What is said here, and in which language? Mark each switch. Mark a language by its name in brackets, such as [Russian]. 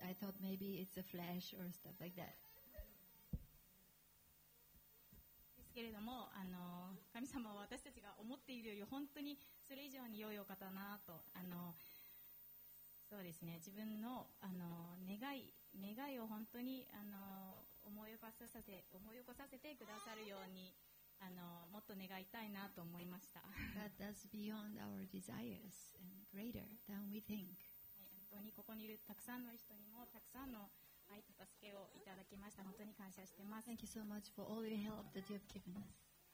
[English] I thought maybe it's a flash or stuff like that [Japanese] ですけれども神様は私たちが思っているより本当にそれ以上に良いお方だなとそうですね、自分 の, 願いを本当に思い起こさせてくださるようにあのもっと願いたいなと思いました。 [English] God does beyond our desires and greater than we think. [Japanese] 本当にここにいるたくさんの人にもたくさんの愛と助けをいただきました。本当に感謝しています。 [English] Thank you so much for all your help that you've given us.